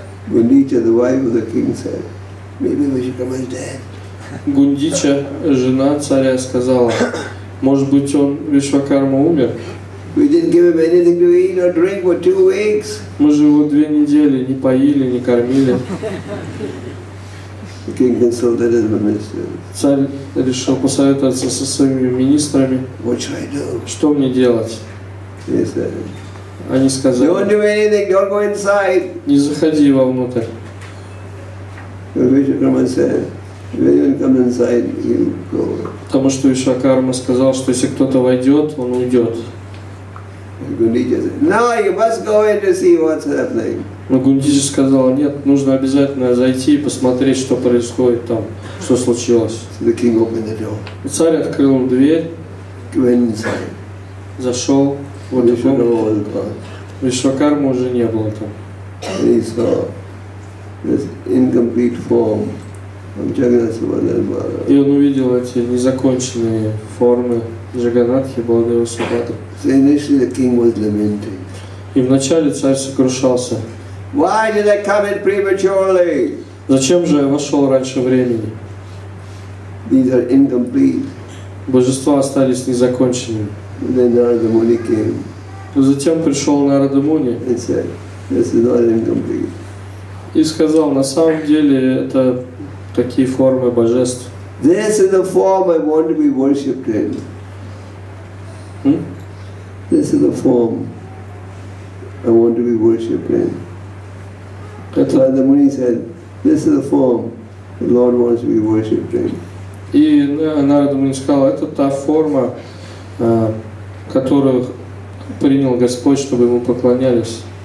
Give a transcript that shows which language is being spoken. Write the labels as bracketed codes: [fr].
[en] Gundicha, the wife of the king, said, maybe Vishwakarma is dead. [ru] Gundicha, жена царя, сказала, может быть, он Вишвакарма умер? [en] We didn't give him anything to eat or drink for 2 weeks. [ru] Мы же его две недели не поили, не кормили. [en] The king consulted his ministers. [ru] Царь решил посоветоваться со своими министрами. [en] What should I do? [ru] Что мне делать? Они сказали, [en] don't do anything, don't go inside. [ru] Не заходи вовнутрь. [en] Вишвакарма said, if anyone comes inside, you go. [ru] Потому что Вишвакарма сказал, что если кто-то войдет, он уйдет. [en] Гундича said, no, you must go in to see what's happening. [ru] Но Гундича сказал, нет, нужно обязательно зайти и посмотреть, что происходит там, что случилось. [en] So the king opened the door. [ru] И царь открыл дверь. [en] Went inside. [ru] Зашел. Вот Вишвакарма уже не было там. [en] He saw this incomplete form of Jagannatha Balarama. [ru] И он увидел эти незаконченные формы Джаганатхи Баладева Субхадры. [en] So initially the king was lamenting. [ru] И вначале царь сокрушался. [en] Why did I come in prematurely? [ru] Зачем же я вошел раньше времени? [en] These are incomplete. [ru] Божества остались незаконченными. [en] Then Narada Muni came. [ru] Затем пришел Нарада Муни. [en] And said, "This is not incomplete." [ru] И сказал, на самом деле это такие формы божеств. [en] This is the form I want to be worshipped in. This is the form I want to be worshipped in. [ru] Это... [en] Narada Muni said, "This is the form the Lord wants to be worshipped in." [ru] И Нарада Муни сказал, это та форма. Которую принял Господь, чтобы ему поклонялись.